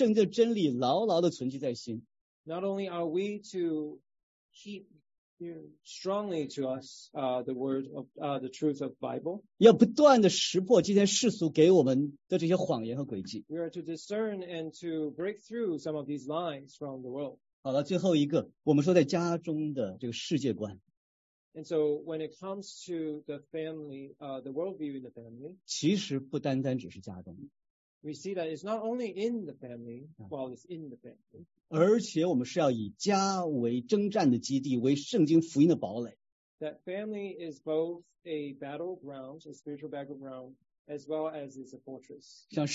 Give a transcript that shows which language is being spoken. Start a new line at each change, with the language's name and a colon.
Chinese: 今天我们基督徒不单要把圣经的真理牢牢地存记在心,
English: not only are we to keep strongly to us the word of the truth of Bible,
Chinese: 要不断地识破今天世俗给我们的这些谎言和诡计,
English: we are to discern and to break through some of these lies from the world.
Chinese: 好了,最后一个, 我们说在家中的这个世界观。
English: And so when it comes to the family, the worldview in the family,
Chinese: 其实不单单只是家中,
English: we see that it's not only in the family, while it's in the family.
Chinese: 而且我们是要以家为征战的基地,为圣经福音的堡垒。
English: That family is both a battleground, a spiritual battleground, as well as it's a fortress.